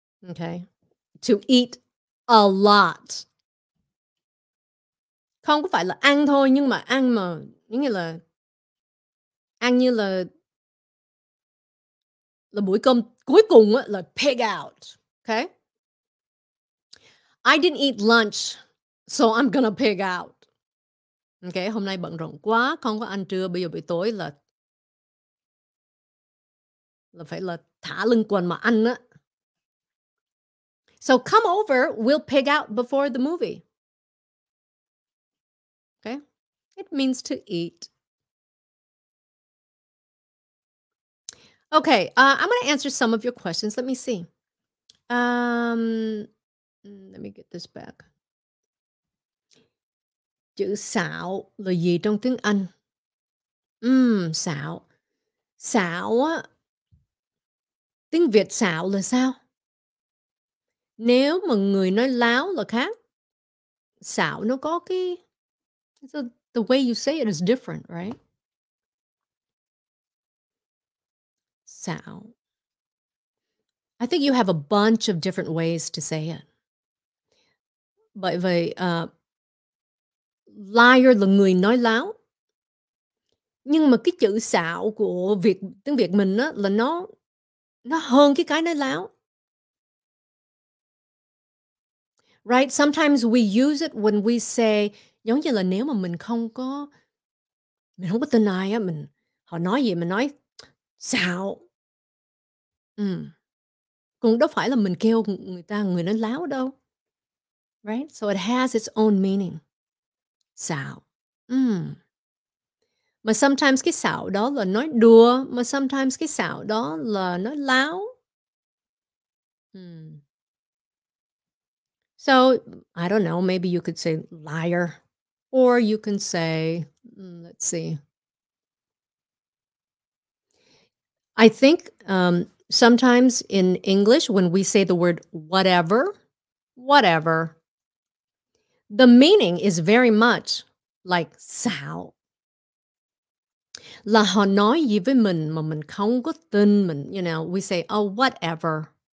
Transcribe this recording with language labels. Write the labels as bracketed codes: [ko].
[en] Okay? To eat a lot. [vi] Không có phải là ăn thôi, nhưng mà ăn mà nghĩa là ăn như là bữa cơm cuối cùng á, là pig out. [en] Okay? I didn't eat lunch, so I'm gonna pig out. [vi] Okay, hôm nay bận rộn quá, không có ăn trưa, bây giờ buổi tối là phải là thả lưng quần mà ăn á. [en] So come over, we'll pig out before the movie. It means to eat. Okay, I'm going to answer some of your questions. Let me see. Let me get this back. [vi] Chữ xạo là gì trong tiếng Anh? Xạo. Xạo á. Tiếng Việt xạo là sao? Nếu mà người nói láo là khác. Xạo nó có cái... [en] The way you say it is different, right? Sound. I think you have a bunch of different ways to say it. [vi] Bởi vậy, liar là người nói láo. Nhưng mà cái chữ xạo của Việt, tiếng Việt mình á, là nó hơn cái nói láo. Right? [en] Sometimes we use it when we say... [vi] Giống như là nếu mà mình không có tin ai á, mình họ nói gì mình nói xạo. Cũng đâu phải là mình kêu người nói láo đâu. Right? [en] So it has its own meaning. Xạo. [vi] Mà sometimes cái xạo đó là nói đùa, mà sometimes cái xạo đó là nói láo. [en] So I don't know, maybe you could say liar. Or you can say, let's see. I think sometimes in English, when we say the word whatever, the meaning is very much like sao. [vi] Là họ nói gì với mình mà mình không có tin mình, [en] you know, we say, oh, whatever.